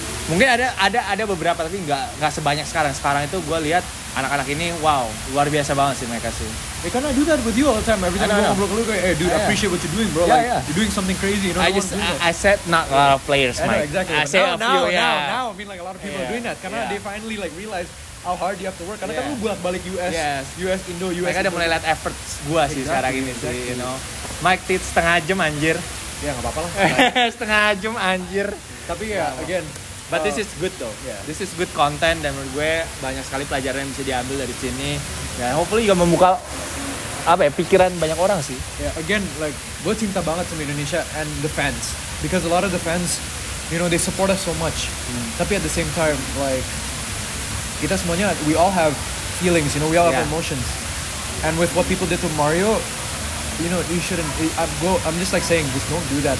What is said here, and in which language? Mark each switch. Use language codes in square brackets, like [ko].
[id] Mungkin ada beberapa, tapi nggak sebanyak sekarang. Sekarang itu gue lihat anak-anak ini, wow, luar biasa banget sih mereka sih. [en] They kinda do that with you all the time. Every time I [id] ngobrol ke lu, kayak, [en] hey, dude, I appreciate what you're doing, bro. Yeah, like, you're doing something crazy. You know, I said not a lot of players, Mike. Exactly. I said a few. Now, I mean, like, a lot of people are doing that [id] karena [en] they finally like realize how hard you have to work. [id] Karena kan lu bolak balik US, US Indo, US. Mereka udah mulai lihat efforts gue sih sekarang ini sih, you know. Mike Tits setengah jam anjir. Ya enggak apa-apa lah. Setengah jam anjir. Tapi ya again, [en] but this is good though. Yeah. This is good content [id] dan menurut gue banyak sekali pelajaran yang bisa diambil dari sini. Ya hopefully juga membuka apa ya, pikiran banyak orang sih. [en] Yeah, again, like, [id] gue cinta banget sama Indonesia [en] and the fans because a lot of the fans, you know, they support us so much. [id] Tapi [en] at the same time, like, [id] kita semuanya, [en] we all have feelings, you know, we all have emotions. And with what people did to Mario, you know, you shouldn't. I'm just like saying, just don't do that.